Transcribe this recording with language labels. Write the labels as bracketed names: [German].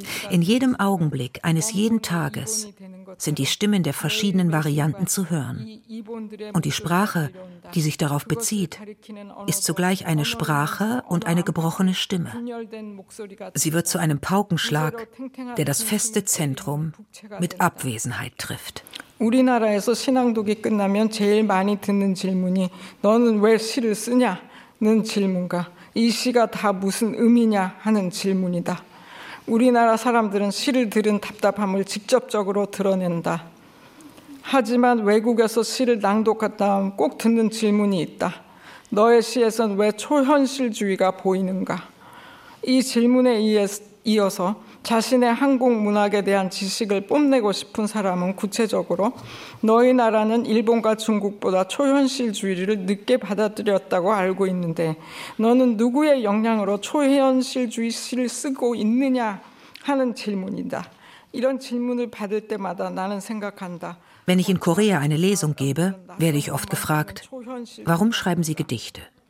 [German] In jedem Augenblick eines jeden Tages sind die Stimmen der verschiedenen Varianten zu hören. Und die Sprache, die sich darauf bezieht, ist zugleich eine Sprache und eine gebrochene Stimme. Sie wird zu einem Paukenschlag, der das feste Zentrum mit Abwesenheit trifft. [Korean] 우리나라에서 신앙독이 끝나면 제일 많이 듣는 질문이 너는 왜 시를 쓰냐는 질문과 이 시가 다 무슨 의미냐 하는 질문이다. 우리나라 사람들은 시를 들은 답답함을 직접적으로 드러낸다. 하지만 외국에서 시를 낭독한 다음 꼭 듣는 질문이 있다. 너의 시에선 왜 초현실주의가 보이는가? 이 질문에 이어서 자신의 한국 문학에 대한 지식을 뽐내고 싶은 사람은 구체적으로 너희 나라는 일본과 중국보다 초현실주의를 늦게 받아들였다고 알고 있는데 너는 누구의 영향으로 초현실주의 시를 쓰고 있느냐 하는 질문이다. 이런 질문을 받을 때마다 나는 생각한다. [German] Wenn ich in Korea eine Lesung gebe, werde ich oft gefragt, warum schreiben Sie Gedichte?